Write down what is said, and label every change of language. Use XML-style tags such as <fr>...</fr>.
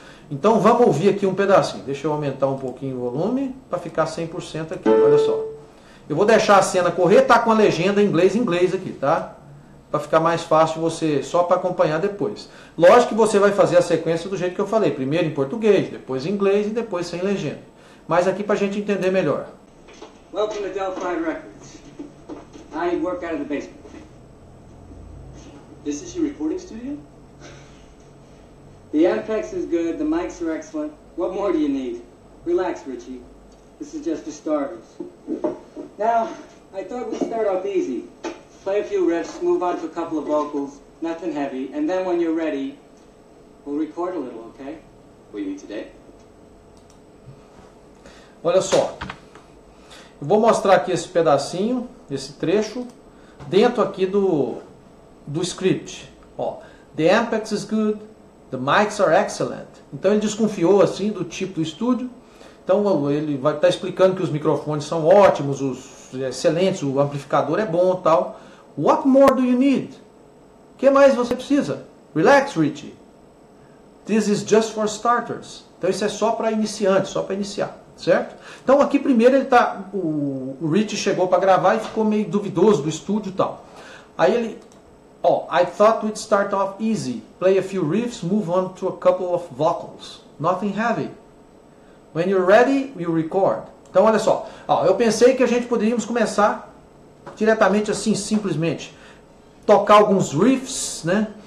<pt>Então vamos ouvir aqui um pedacinho. Deixa eu aumentar um pouquinho o volume para ficar 100% aqui, olha só. Eu vou deixar a cena correr, tá com a legenda inglês aqui, tá? Para ficar mais fácil você, só para acompanhar depois. Lógico que você vai fazer a sequência do jeito que eu falei, primeiro em português, depois em inglês e depois sem legenda. Mas aqui para a gente entender melhor.</pt> <en>Welcome to Delphi Records. I work out of the basement. This is your recording studio? The Ampex is good, the mics are excellent. What more do you need? Relax, Richie. This is just for starters. Now, I thought we'd start off easy. Play a few riffs, move on to a couple of vocals, nothing heavy, and then when you're ready, we'll record a little, okay? What do you need today?</en> <pt>Olha só, eu vou mostrar aqui esse pedacinho, esse trecho, dentro aqui do script.</pt> <en>Ó, the Ampex is good, the mics are excellent.</en> <pt>Então ele desconfiou assim do tipo do estúdio. Então ele vai estar explicando que os microfones são ótimos, os excelentes, o amplificador é bom e tal.</pt> <en>What more do you need?</en> <pt>O que mais você precisa?</pt> <en>Relax, Richie. This is just for starters.</en> <pt>Então isso é só para iniciantes, só para iniciar. Certo? Então aqui primeiro ele tá, o Rich chegou para gravar e ficou meio duvidoso do estúdio e tal. Aí ele, ó,</pt> <en>I thought we'd start off easy, play a few riffs, move on to a couple of vocals, nothing heavy. When you're ready, we'll record.</en> <pt>Então olha só, ó, eu pensei que a gente poderíamos começar diretamente assim, simplesmente, tocar alguns riffs, né?</pt>